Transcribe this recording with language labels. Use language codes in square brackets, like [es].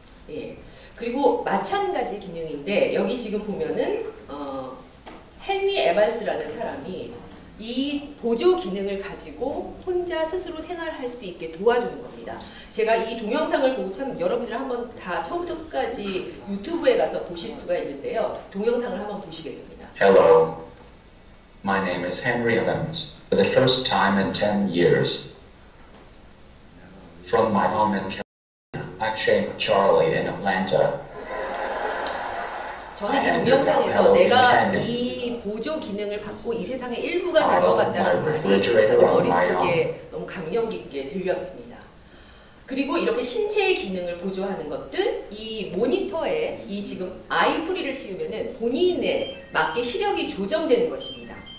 [ko] 예. 그리고 마찬가지 기능인데, 여기 지금 보면은, 헨리 에반스라는 사람이 이 보조 기능을 가지고 혼자 스스로 생활할 수 있게 도와주는 겁니다. 제가 이 동영상을 보고 참 여러분들 한번 다 처음부터까지 유튜브에 가서 보실 수가 있는데요. 동영상을 한번 보시겠습니다. [en] Hello, my name is Henry Evans. For the first time in 10 years, from my home in California, I shaved Charlie in Atlanta. [ko] 저는 이 동영상에서 내가 이 보조 기능을 받고 이 세상의 일부가 될 것 같다는 말이 아주 머릿속에 너무 감명 깊게 들렸습니다. 그리고 이렇게 신체의 기능을 보조하는 것들, 이 모니터에 이 지금 아이프리를 씌우면은 본인에 맞게 시력이 조정되는 것입니다.